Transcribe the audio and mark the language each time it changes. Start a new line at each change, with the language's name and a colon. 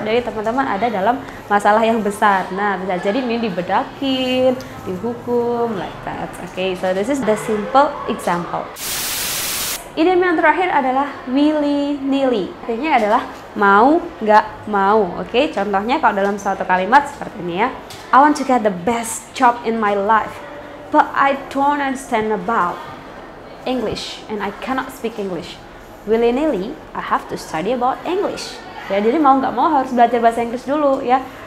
Indonesian: Jadi teman-teman ada dalam masalah yang besar. Nah, bisa jadi ini dibedakin, dihukum,
English: like that. Okay, so this is the simple example.
Indonesian: Idiom yang terakhir adalah
English: willy-nilly.
Indonesian: Artinya adalah mau, gak mau. Okay, contohnya kalau dalam suatu kalimat seperti ini ya.
English: I want to get the best job in my life, but I don't understand about English and I cannot speak English. Willy-nilly, I have to study about English.
Indonesian: Ya, jadi mau nggak mau harus belajar bahasa Inggris dulu ya.